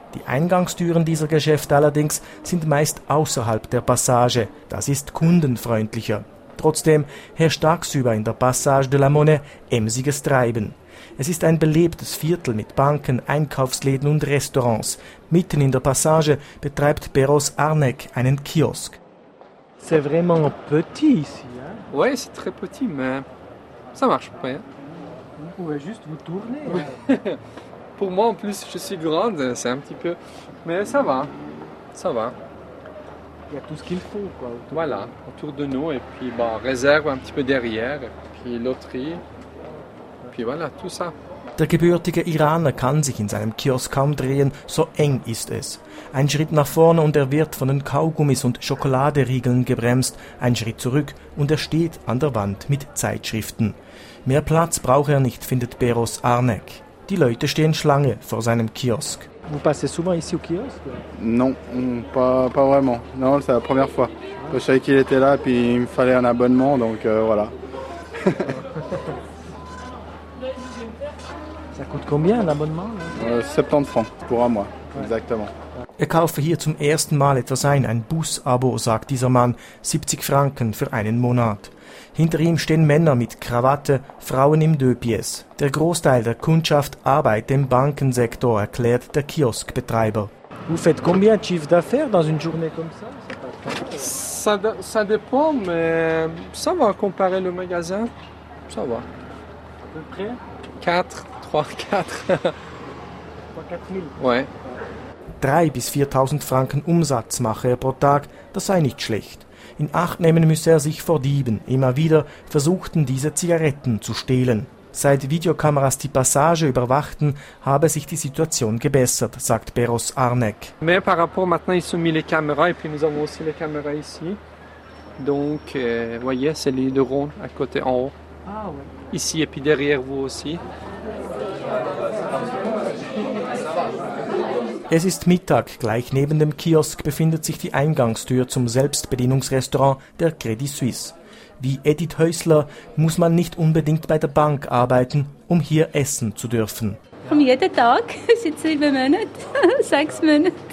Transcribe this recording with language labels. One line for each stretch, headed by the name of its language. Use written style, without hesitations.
German: Die Eingangstüren dieser Geschäfte allerdings sind meist außerhalb der Passage. Das ist kundenfreundlicher. Trotzdem herrscht tagsüber in der Passage de la Monnaie emsiges Treiben. Es ist ein belebtes Viertel mit Banken, Einkaufsläden und Restaurants. Mitten in der Passage betreibt Perros Arnec einen Kiosk.
French: C'est vraiment petit ici, hein? Ouais, c'est très petit, mais ça marche pas, hein? Vous pouvez juste vous tourner. Pour moi, en plus, je suis grande, c'est un petit peu. Mais ça va, ça va. Il y a tout ce qu'il faut, quoi. Autour voilà, de autour de nous, et puis bah, réserve un petit peu derrière, puis loterie.
German: Der gebürtige Iraner kann sich in seinem Kiosk kaum drehen, so eng ist es. Ein Schritt nach vorne und er wird von den Kaugummis und Schokoladeriegeln gebremst, ein Schritt zurück und er steht an der Wand mit Zeitschriften. Mehr Platz braucht er nicht, findet Perros Arnec. Die Leute stehen Schlange vor seinem Kiosk.
French: Vous passez souvent ici au kiosque? Non, pas vraiment. Non, c'est la première fois. Je savais qu'il était là, puis il me fallait un abonnement, donc voilà. Ça coûte combien un abonnement? 70 francs pour un mois, exactement.
German: Er kaufe hier zum ersten Mal etwas ein Bus-Abo, sagt dieser Mann, 70 Franken für einen Monat. Hinter ihm stehen Männer mit Krawatte, Frauen im Döpies. Der Großteil der Kundschaft arbeitet im Bankensektor, erklärt der Kioskbetreiber.
French: Vous faites combien de chiffre d'affaires dans une journée comme ça? Ça dépend, mais ça va comparer le magasin. Ça va. À peu près? 4, 3, 4. 3-4 000? Ouais.
German: 3.000 bis 4.000 Franken Umsatz mache er pro Tag, das sei nicht schlecht. In Acht nehmen müsse er sich vor Dieben. Immer wieder versuchten diese Zigaretten zu stehlen. Seit Videokameras die Passage überwachten, habe sich die Situation gebessert, sagt Beros Arnek.
French: Mais par rapport maintenant, ils ont mis les caméras et puis nous avons aussi les caméras ici. Donc, voyez, c'est les deux ronds à côté en haut. Ah ouais. Ici et puis derrière vous aussi.
German: Es ist Mittag, gleich neben dem Kiosk befindet sich die Eingangstür zum Selbstbedienungsrestaurant der Credit Suisse. Wie Edith Häusler muss man nicht unbedingt bei der Bank arbeiten, um hier essen zu dürfen. Jeden Tag, seit 7 Monaten, 6 Monaten.